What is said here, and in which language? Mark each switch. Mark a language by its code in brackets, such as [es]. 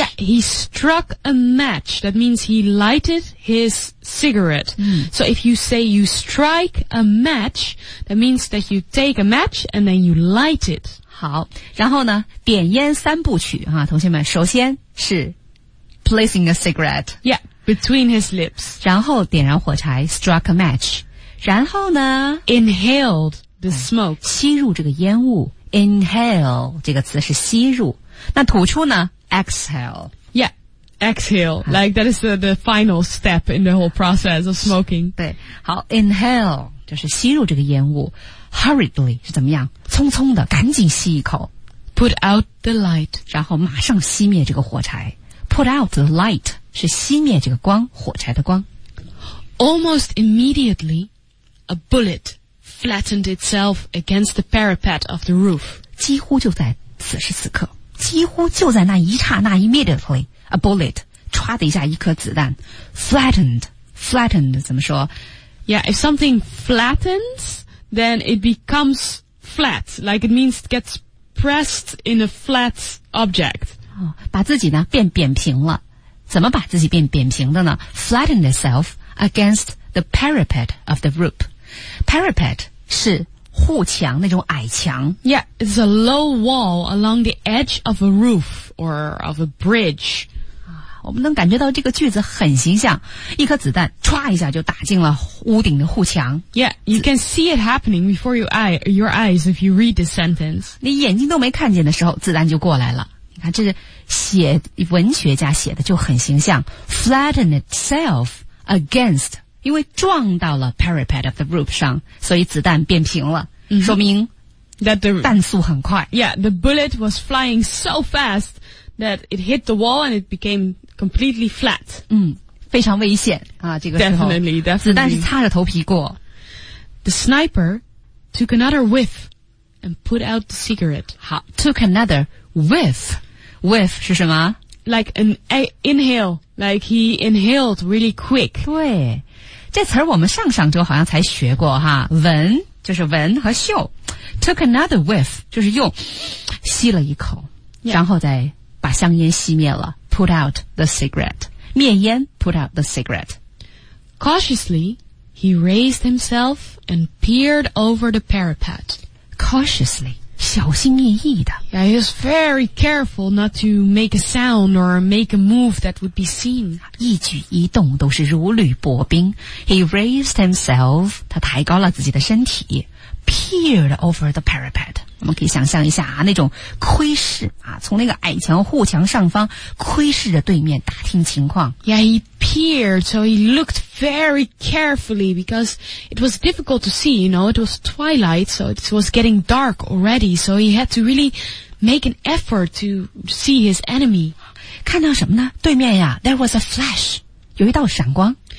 [en] Yeah, he struck a match. That means he lighted his cigarette.、 Mm. So if you say you strike a match, that means that you take a match and then you light it. [zh] 好，然后呢，点烟三部曲啊，同学们，首先是 [en] placing a cigarette. Yeah, between his lips. [zh] 然后点燃火柴 ， [en] struck a match. [zh] 然后呢 [en] ，inhaled the smoke. [zh] 吸入这个烟雾。 Inhale 这个词是吸入，那吐出呢 ？ [en] Exhale. Yeah, exhale. Like that is the final step in the whole process of smoking. [zh] 对，好 ，inhale 就是吸入这个烟雾。 Hurriedly 是怎么样？匆匆的，赶紧吸一口。 [en] Put out the light. [zh] 然后马上熄灭这个火柴。 [en] Put out the light [zh] 是熄灭这个光，火柴的光。 [en] Almost immediately, a bullet. Flattened itself against the parapet of the roof. [zh] 几乎就在此时此刻，几乎就在那一刹那 ， [en] immediately a bullet, [zh] 唰的一下，一颗子弹 ，flattened 怎么说 [en] ？Yeah, if something flattens, then it becomes flat. Like it means it gets pressed in a flat object. [zh] 把自己呢变扁平了，怎么把自己变扁平的呢 ？ [en] Flattened itself against the parapet of the roof. [zh] Parapet 是护墙，那种矮墙。 [en] Yeah, it's a low wall along the edge of a roof or of a bridge. [zh] 我们能感觉到这个句子很形象，一颗子弹唰一下就打进了屋顶的护墙。 [en] Yeah, you can see it happening before your eyes if you read the sentence. [zh] 你眼睛都没看见的时候，子弹就过来了。你看，这写文学家写的就很形象 ， [en] flatten itself against， [zh] 因为撞到了 [en] parapet of the roof [zh] 上，所以子弹变平了， mm-hmm. 说明 [en] that the [zh] 弹速很快。 [en] Yeah, the bullet was flying so fast that it hit the wall and it became completely flat. [zh] 嗯，非常危险啊，这个时候 [en] definitely. [zh] 子弹是擦着头皮过。 [en] The sniper took another whiff and put out the cigarette. [zh] 好 ， [en] took another。 [zh] Whiff, whiff 是什么 [en] ？Like an inhale, like he inhaled really quick. [zh] 对，这词儿我们上上周好像才学过哈。闻就是闻和嗅 ， [en] took another whiff [zh] 就是又吸了一口， [en] yeah. [zh] 然后再把香烟熄灭了 ， [en] put out the cigarette， [zh] 灭烟 ，put out the cigarette. [en] Cautiously, he raised himself and peered over the parapet. Cautiously. [zh] 小心翼翼的。 [en] Yeah, he was very careful not to make a sound or make a move that would be seen. [zh] 一举一动都是如履薄冰。 [en] He raised himself, [zh] 他抬高了自己的身体 [en] peered over the parapet. [zh] 我们可以想象一下啊，那种窥视啊，从那个矮墙护墙上方窥视着对面打听情况。 [en] Yeah, he peered, so he looked very carefully because it was difficult to see, you know, it was twilight, so it was getting dark already, so he had to really make an effort to see his enemy. [zh] 看到什么呢？对面呀， [en] there was a flash, [zh] 有一道闪光。